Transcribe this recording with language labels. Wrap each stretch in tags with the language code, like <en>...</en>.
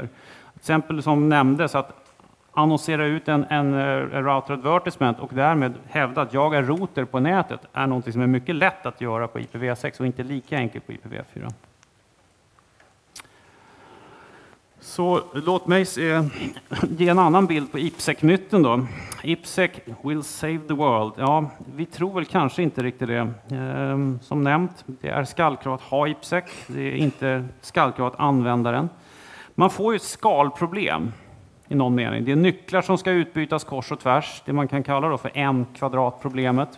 <sv>Till exempel som nämndes att annonsera ut en router advertisement och därmed hävda att jag är router på nätet är något som är mycket lätt att göra på IPv6 och inte lika enkelt på IPv4. Så låt mig ge en annan bild på IPSEC-nytten då.</sv> <en>IPSEC will save the world.</en> <sv>Ja, vi tror väl kanske inte riktigt det. Som nämnt, det är skallkrav att ha IPSEC. Det är inte skallkrav att använda den. Man får ju ett skalproblem i någon mening. Det är nycklar som ska utbytas kors och tvärs. Det man kan kalla då för en kvadratproblemet.</sv>